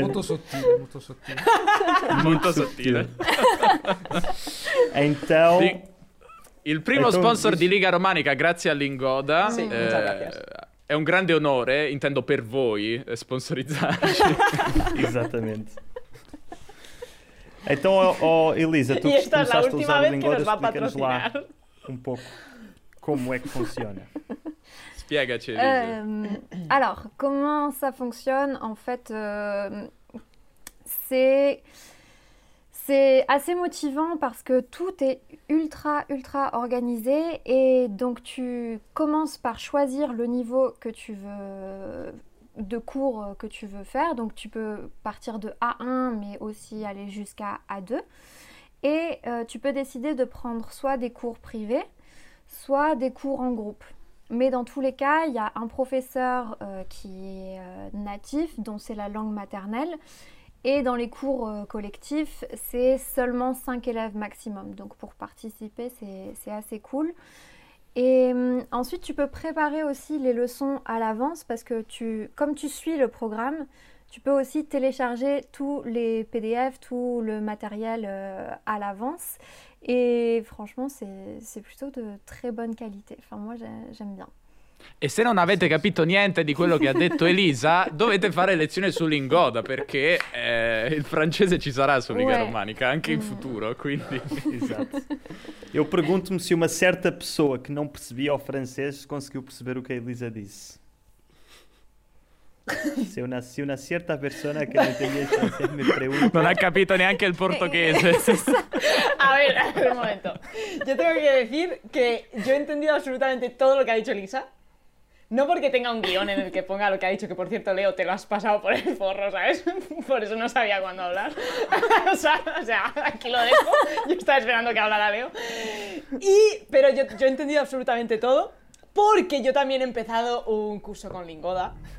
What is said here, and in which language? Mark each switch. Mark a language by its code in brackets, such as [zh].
[it] Molto sottile, molto sottile. Molto sottile. [pt] E então... Sì. [it] Il primo sponsor di Liga Romanica, grazie a Lingoda. Sì, è un grande onore, intendo per voi, sponsorizzarci. Esattamente. [pt] Então, Elisa, tu começaste a usar o Lingoda, explica-nos lá um pouco como é que funciona. [it] Spiegaci, Elisa. [fr] Alors, comment ça fonctionne, en fait, c'est assez motivant parce que tout est ultra, ultra organisé et donc tu commences par choisir le niveau que tu veux... de cours que tu veux faire, donc tu peux partir de A1 mais aussi aller jusqu'à A2 et tu peux décider de prendre soit des cours privés, soit des cours en groupe. Mais dans tous les cas, il y a un professeur qui est natif, dont c'est la langue maternelle, et dans les cours collectifs, c'est seulement 5 élèves maximum, donc pour participer, c'est assez cool. Et ensuite, tu peux préparer aussi les leçons à l'avance parce que comme tu suis le programme, tu peux aussi télécharger tous les PDF, tout le matériel à l'avance. Et franchement, c'est plutôt de très bonne qualité. Enfin, moi, j'aime bien. [it] E se non avete capito niente di quello che ha detto Elisa, dovete fare lezione su Lingoda perché il francese ci sarà su Liga Romanica anche in futuro, quindi... Esatto. [pt] Eu pergunto-me se uma certa pessoa que não percebia o francês conseguiu perceber o que a Elisa disse. [it] Se una, se una certa persona che non entendia il francese [es] mi pregunta... [it] Non ha capito neanche il portoghese. [es] A ver, un momento. Yo tengo que decir que yo he entendido absolutamente todo lo que ha dicho Elisa. No porque tenga un guión en el que ponga lo que ha dicho, que por cierto, Leo, te lo has pasado por el forro, ¿sabes? Por eso no sabía cuándo hablar. O sea, aquí lo dejo. Yo estaba esperando que hablara Leo. Pero yo he entendido absolutamente todo porque yo también he empezado un curso con Lingoda.